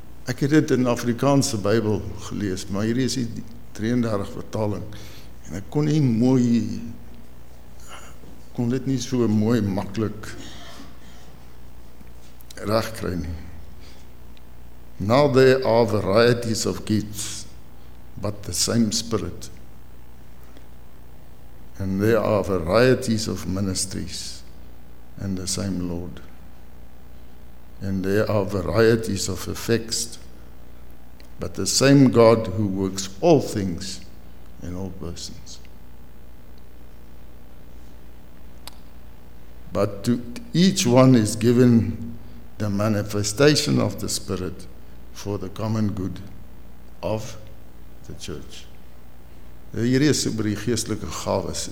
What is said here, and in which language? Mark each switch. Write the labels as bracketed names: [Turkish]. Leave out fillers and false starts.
[Afrikaans] Ek het dit in Afrikaanse Bybel gelees, maar hier is die 33 vertaling. En ek kon dit nie so mooi maklik recht kry nie. [English] Now there are varieties of gifts, but the same spirit. And there are varieties of ministries, and the same Lord. And there are varieties of effects, but the same God who works all things in all persons. But to each one is given the manifestation of the Spirit for the common good of the church. [Afrikaans] Hier is oor die geestelike gawes.